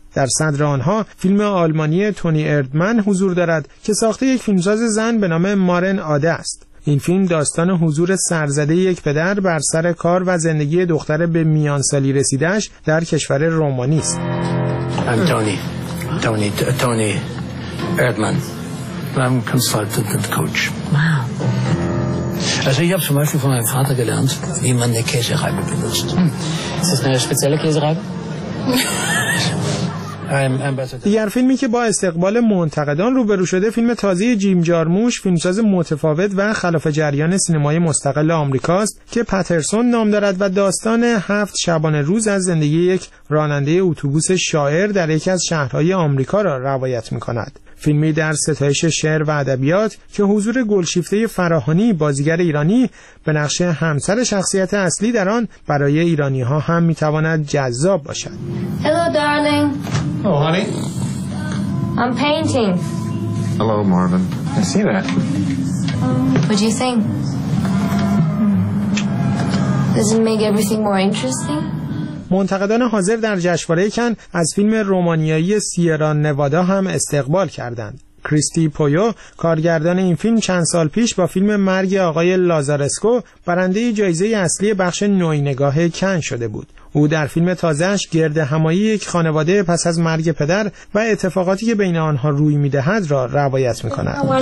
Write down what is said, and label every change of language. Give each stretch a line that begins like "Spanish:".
Persian: در صدر آنها فیلم آلمانی تونی اردمن حضور دارد که ساخته یک فیلمساز زن به نام مارن آده است. این فیلم داستان حضور سرزده یک پدر بر سر کار و زندگی دختر به میانسالی رسیدهش در کشور رومانی است.
English: I'm Tony Erdmann. I'm consultant and coach. Wow.
German: Also ich habe zum Beispiel von meinem Vater gelernt, wie man eine Käsereibe benutzt. Ist das eine spezielle Käsereibe?
Persian: دیگر فیلمی که با استقبال منتقدان روبرو شده فیلم تازه جیم جارموش، فیلمساز متفاوت و خلاف جریان سینمای مستقل آمریکاست که پترسون نام دارد و داستان هفت شبانه روز از زندگی یک راننده اتوبوس شاعر در یکی از شهرهای آمریکا را روایت می‌کند. فیلمی در ستایش شعر و ادبیات که حضور گلشیفته فراهانی بازیگر ایرانی به نقش همسر شخصیت اصلی در آن برای ایرانی ها هم میتواند جذاب باشد.
English: Hello darling. Oh honey. I'm painting. Hello Marvin. I see that. What do you think? Does it make everything more interesting?
Persian: منتقدان حاضر در جشنواره کن از فیلم رومانیایی سیرا نوادا هم استقبال کردند. کریستی پویو کارگردان این فیلم چند سال پیش با فیلم مرگ آقای لازارسکو برنده جایزه اصلی بخش نوعی نگاه کن شده بود. او در فیلم تازه‌اش گرد همایی یک خانواده پس از مرگ پدر و اتفاقاتی که بین آنها روی می‌دهد را روایت می‌کند.